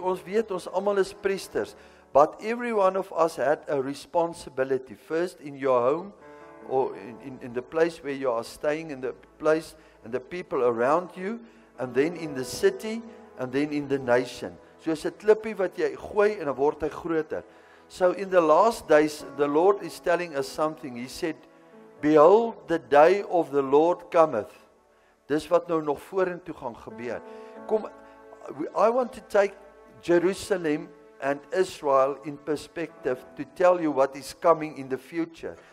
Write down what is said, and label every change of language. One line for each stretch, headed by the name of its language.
Afrikaans: To ons weet, ons almal is priesters,
English: but every one of us had a responsibility, first in your home or in the place where you are staying, in the place and the people around you, and then in the city, and then in the nation.
Afrikaans: Soos 'n klippie wat jy gooi en dan word hy groter.
English: So in the last days, the Lord is telling us something. He said, behold, the day of the Lord cometh.
Afrikaans: Dis wat nou nog vorentoe gaan gebeur. Kom,
English: I want to take Jerusalem and Israel in perspective to tell you what is coming in the future.